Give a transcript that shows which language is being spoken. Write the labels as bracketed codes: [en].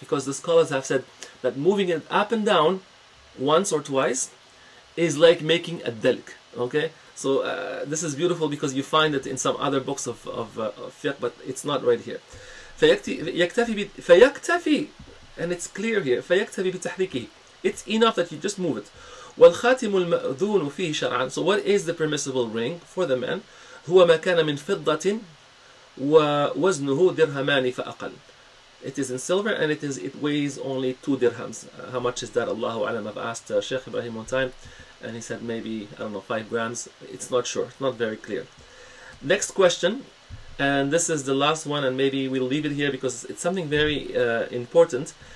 [en] Because the scholars have said that moving it up and down once or twice is like making a dalk. Okay? So this is beautiful because you find it in some other books of fiqh, but it's not right here. [ar] فيكتفي, [en] and it's clear here. [ar] فيكتفي بتحريكي. [en] It's enough that you just move it. [ar] والخاتم المأذون فيه شرعا. [en] So what is the permissible ring for the man? [ar] هو ما كان من فضة ووزنه درهمان فأقل. [en] It is in silver and it weighs only 2 dirhams. How much is that? Allahu alam. I've asked Sheikh Ibrahim one time, and he said maybe, I don't know, 5 grams. It's not sure. It's not very clear. Next question, and this is the last one, and maybe we'll leave it here because it's something very important.